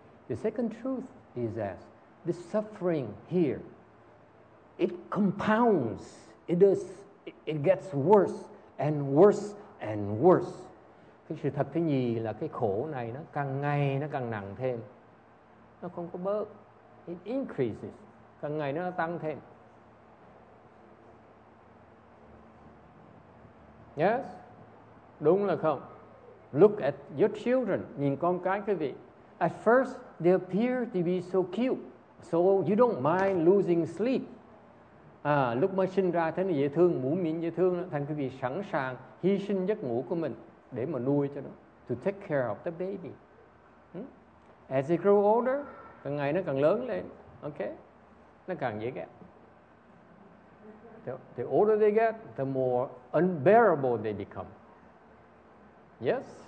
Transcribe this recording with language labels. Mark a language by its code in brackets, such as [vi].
[en] The second truth is that the suffering here, it compounds, it gets worse and worse and worse. [vi] Cái sự thật thứ nhì là cái khổ này nó càng ngày nó càng nặng thêm, nó không có bớt, [en] it increases, [vi] càng ngày nó tăng thêm. Yes, đúng là không? [en] Look at your children, [vi] nhìn con cái quý vị. [en] At first, they appear to be so cute, so you don't mind losing sleep. [vi] Lúc mới sinh ra thấy nó dễ thương, mũm mĩm dễ thương, thành quý vị sẵn sàng hy sinh giấc ngủ của mình để mà nuôi cho nó. [en] To take care of the baby. As they grow older, [vi] càng ngày nó càng lớn lên, [en] okay? [vi] Nó càng dễ ghét. [en] The older they get, the more unbearable they become. Yes.